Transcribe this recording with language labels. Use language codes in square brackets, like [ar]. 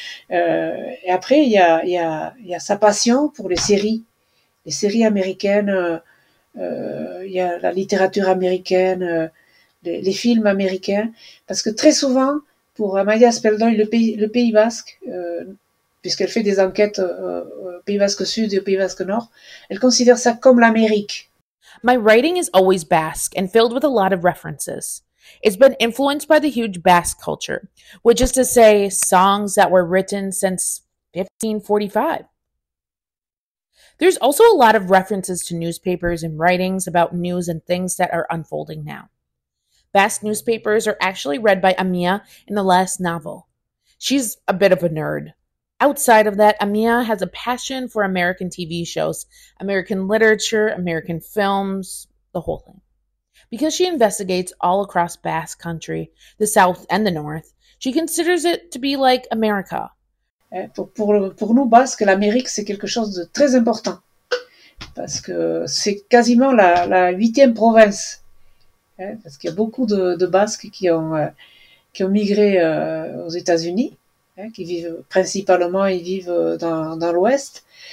[fr] Et après, il y a sa passion pour les séries américaines, il y a la littérature américaine, les films américains, parce que très souvent, pour Amaia Speldoy, le Pays Basque, puisqu'elle fait des enquêtes Pays Basque Sud et Pays Basque Nord, elle considère ça comme l'Amérique. [en] My writing is always Basque and filled with a lot of references. It's been influenced by the huge Basque culture, which is to say, songs that were written since 1545. There's also a lot of references to newspapers and writings about news and things that are unfolding now. Basque newspapers are actually read by Amaia in the last novel. She's a bit of a nerd. Outside of that, Amaia has a passion for American TV shows, American literature, American films, the whole thing. Because she investigates all across Basque country, the South and the North, she considers it to be like America. [fr] Pour nous, Basque, l'Amérique, c'est quelque chose de très important. Parce que c'est quasiment la huitième province. Parce qu'il y a beaucoup de Basques qui ont migré aux États-Unis, qui vivent principalement, ils vivent dans l'Ouest.